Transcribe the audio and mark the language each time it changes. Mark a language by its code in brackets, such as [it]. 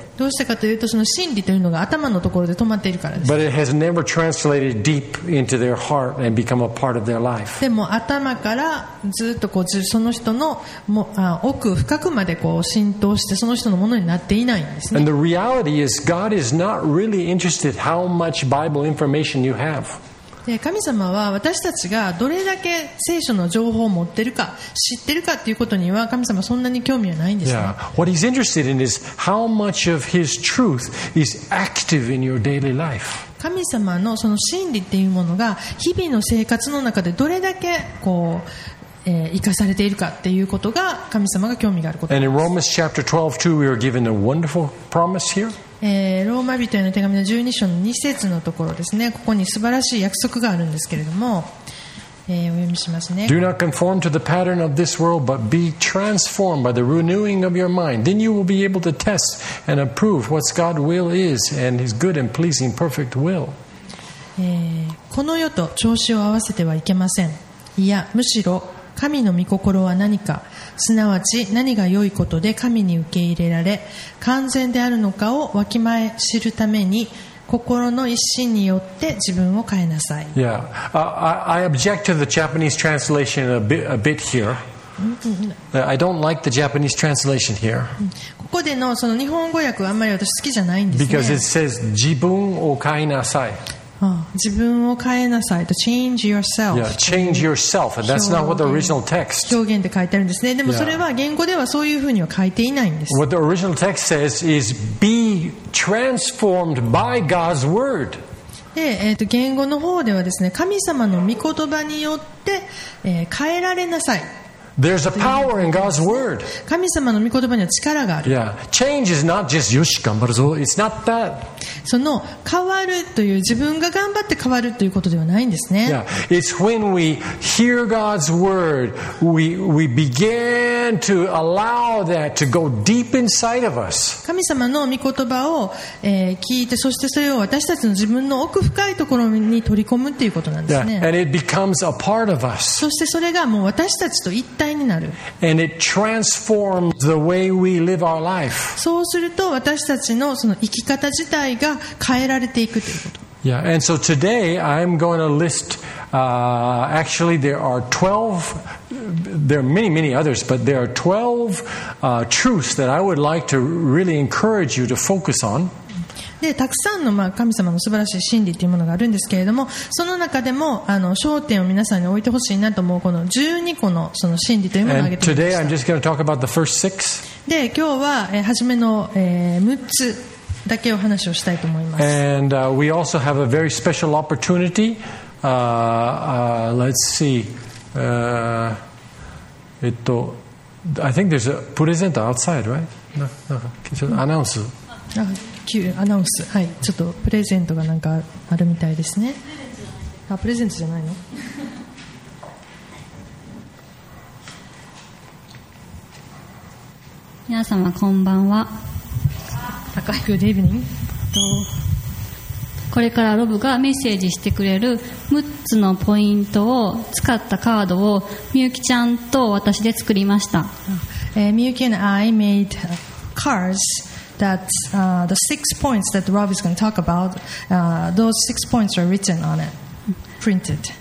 [ja] どうしてかというとその真理というのが頭のところで止まっているからです。 [en] But it has never translated deep into their heart and become a part of their life. [ja] でも頭からずっとこうその人の奥深くまでこう浸透してその人のものになっていないんですね。 [en] And the reality is God is not really interested how much Bible information you have. [ja] 神様は私たちがどれだけ聖書の情報を持ってるか知ってるかということには神様そんなに興味はないんですね。 [en] Yeah. What he's interested in is how much of his truth is active in your daily life. [ja] 神様のその真理っていうものが日々の生活の中でどれだけこう生かされているかっていうことが神様が興味があることです。 [en] And in Romans chapter 12, too, we are given a wonderful promise here. [ja] ローマ人への手紙の12章の2節のところですね。ここに素晴らしい約束があるんですけれども、お読みしますね。 [en] Do not conform to the pattern of this world, but be transformed by the renewing of your mind. Then you will be able to test and approve what God's will is and His good and pleasing perfect will. [ja] この世と調子を合わせてはいけません。いや、むしろ神の御心は何か、すなわち何が良いことで神に受け入れられ完全であるのかをわきまえ知るために心の一心によって自分を変えなさい。 [en] Yeah. I object to the Japanese translation a bit here. I don't like the Japanese translation here. [ja] ここでのその日本語訳はあんまり私好きじゃないんですね。 [en] Because it says [ja] 自分を変えなさい。自分を変えなさいと [en] change yourself。 Yeah, change yourself. That's not what the original text. [ja] 表現で書いてあるんですね。でもそれは言語ではそういうふうには書いていないんです。 [en] What the original text says is be transformed by God's word. [ja] で、言語の方ではですね、神様の御言葉によって、変えられなさい。 [en] There's a power in God's word. [ja] 神様の御言葉には力がある。 [en] Yeah, change is not just [ja] よし頑張るぞ。 [en] It's not that. [ja] その変わるという自分が頑張って変わるということではないんですね。 [en] Yeah. It's when we hear God's word, we begin to allow that to go deep inside of us. [ja] 神様の御言葉を、聞いて、そしてそれを私たちの自分の奥深いところに取り込むということなんですね。 [en] Yeah. And it becomes a part of us. [ja] そしてそれがもう私たちと一体になる。 [en] And it transforms the way we live our life. [ja] そうすると私たちのその生き方自体が変えられていくということ。 [en] Yeah, and so today I'm going to list, actually there are 12, there are many, many others, but there are 12, truths that I would like to really encourage you to focus on. [ja] で、たくさんの、まあ、神様の素晴らしい真理というものがあるんですけれども、その中でも、焦点を皆さんに置いてほしいなと思う、この12個のその真理というものを挙げてみました。 And today I'm just going to talk about the first six. で、今日は、初めの、6つ。だけお話をしたいと思います。 [en] And we also have a very special opportunity. Let's see. I think there's a presenter outside, right? アナウンス。 [ja] アナウンス。はい。ちょっとプレゼントがなんかあるみたいですね。あ、プレゼントじゃないの？皆様こんばんは。 [en] Good evening. [ja] これからロブがメッセージしてくれる6つのポイントを使ったカードをみゆきちゃんと私で作りました。 [en] みゆき and I made cards that, the 6 points that Rob is going to talk about, those 6 points are written on it, printed.